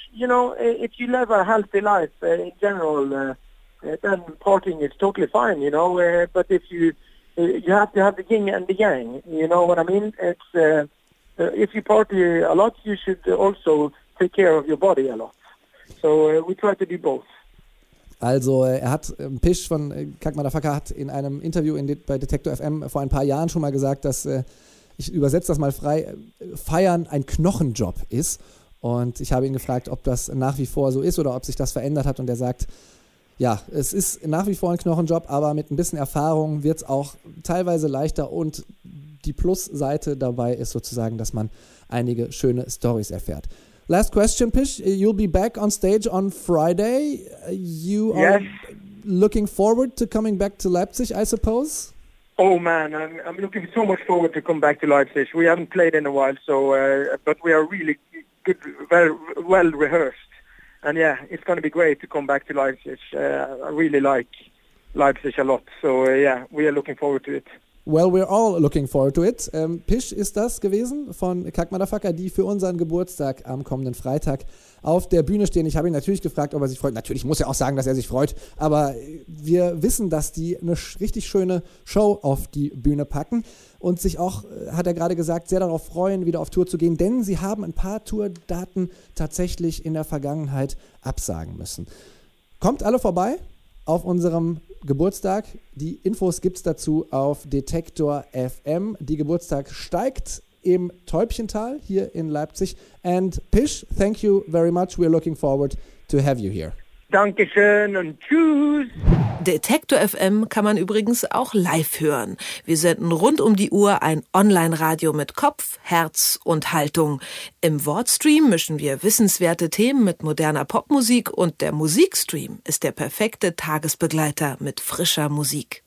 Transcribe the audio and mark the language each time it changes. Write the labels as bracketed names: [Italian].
[English] You know, if you live a healthy life in general, then partying is totally fine, you know. But if you have to have the yin and the yang, you know what I mean? It's if you party a lot, you should also take care of your body a lot. So we try to do both. [German] Also, er hat, Pisch von Kack Madafaka hat in einem Interview bei Detektor FM vor ein paar Jahren schon mal gesagt, dass, ich übersetze das mal frei, Feiern ein Knochenjob ist. Und ich habe ihn gefragt, ob das nach wie vor so ist oder ob sich das verändert hat. Und er sagt, ja, es ist nach wie vor ein Knochenjob, aber mit ein bisschen Erfahrung wird es auch teilweise leichter. Und die Plusseite dabei ist sozusagen, dass man einige schöne Stories erfährt. [English] Last question, Pish. You'll be back on stage on Friday. You are looking forward to coming back to Leipzig, I suppose? Oh, man. I'm looking so much forward to come back to Leipzig. We haven't played in a while, so but we are really good, well rehearsed. And yeah, it's going to be great to come back to Leipzig. I really like Leipzig a lot. So yeah, we are looking forward to it. Well, we're all looking forward to it. [German] Pish ist das gewesen von Kack Madafaka, die für unseren Geburtstag am kommenden Freitag auf der Bühne stehen. Ich habe ihn natürlich gefragt, ob er sich freut. Natürlich muss er auch sagen, dass er sich freut. Aber wir wissen, dass die eine richtig schöne Show auf die Bühne packen und sich auch, hat er gerade gesagt, sehr darauf freuen, wieder auf Tour zu gehen, denn sie haben ein paar Tourdaten tatsächlich in der Vergangenheit absagen müssen. Kommt alle vorbei auf unserem Geburtstag. Die Infos gibt's dazu auf Detektor FM. Die Geburtstag steigt im Täubchental hier in Leipzig. [English] And Pish, thank you very much. We're looking forward to have you here. [German] Dankeschön und tschüss. Detektor FM kann man übrigens auch live hören. Wir senden rund um die Uhr ein Online-Radio mit Kopf, Herz und Haltung. Im Wortstream mischen wir wissenswerte Themen mit moderner Popmusik und der Musikstream ist der perfekte Tagesbegleiter mit frischer Musik.